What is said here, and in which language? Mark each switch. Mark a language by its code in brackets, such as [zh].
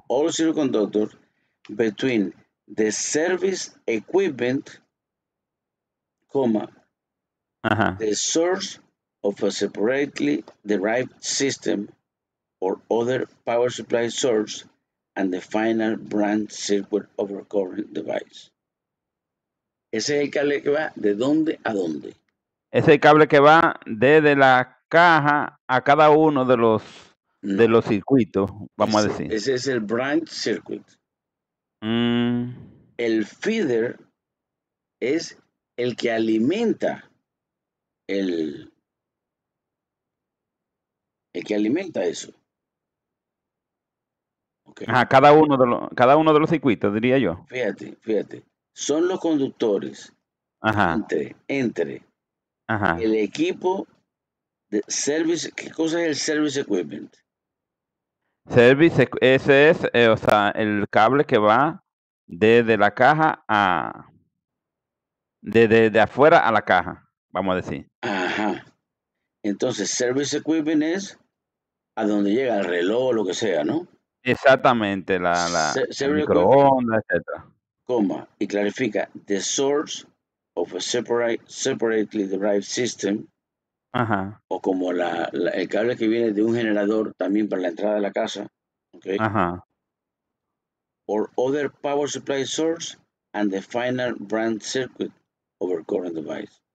[en] All circuit conductors between the service equipment, comma, ajá, the source of a separately derived system or other power supply source and the final branch circuit overcurrent device. [es] Ese es el cable que va de dónde a dónde. Ese cable que va desde la caja a cada uno de los, no, de los circuitos, vamos ese, a decir. Ese es el branch circuit. Mm. El feeder es el que alimenta el que alimenta eso. Okay. Ajá, cada uno de los circuitos, diría yo. Fíjate. Son los conductores, ajá, entre ajá, el equipo de service. ¿Qué cosa es el service equipment? Service, ese es, o sea, el cable que va desde la caja a, de afuera a la caja, vamos a decir. Ajá. Entonces, service equipment es a donde llega el reloj o lo que sea, ¿no? Exactamente, la microondas, etcétera. Coma, y clarifica, [en] the source of a separately derived system. Ajá. [es] O como el cable que viene de un generador también para la entrada de la casa. Okay. Ajá. [en] Or other power supply source and the final branch circuit overcurrent device.